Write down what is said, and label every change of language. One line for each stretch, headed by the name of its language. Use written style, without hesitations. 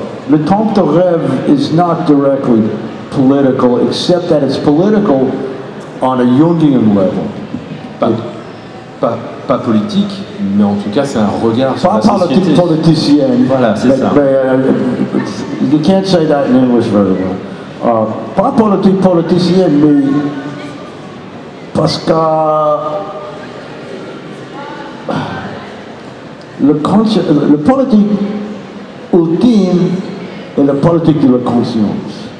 French: Le Temps de Rêve
English: is not directly political, except that it's political on a Jungian level.
French: Pas politique, mais en tout cas c'est un regard sur la société. Pas politicienne. Voilà, c'est ça.
English: But you can't say that in English very well.
French: Pas politique politicienne, mais... Parce que le politique ultime est la politique de la conscience.